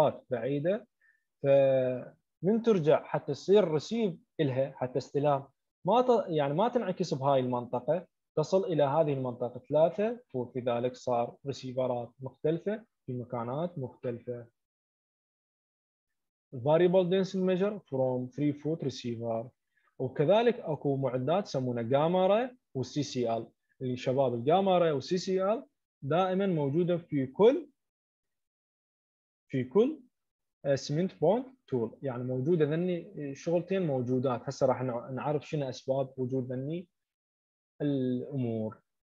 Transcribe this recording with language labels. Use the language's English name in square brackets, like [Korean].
[Arabic] بعيدة فمن ترجع حتى تصير ريسيف إلها حتى استلام ما يعني ما تنعكس بهاي المنطقة، تصل إلى هذه المنطقة 3 فوت، لذلك صار ريسيفرات مختلفة في مكانات مختلفة. [English] Variable density measure from 3 foot receiver. [Arabic] وكذلك أكو معدات سمونها جامارا والسي سي ال. الشباب الجامارا والسي سي ال دائما موجودة في كل اسمنت بوند تول، يعني موجودة ذني شغلتين موجودات. هسه راح نعرف شنو أسباب وجود ذني الأمور.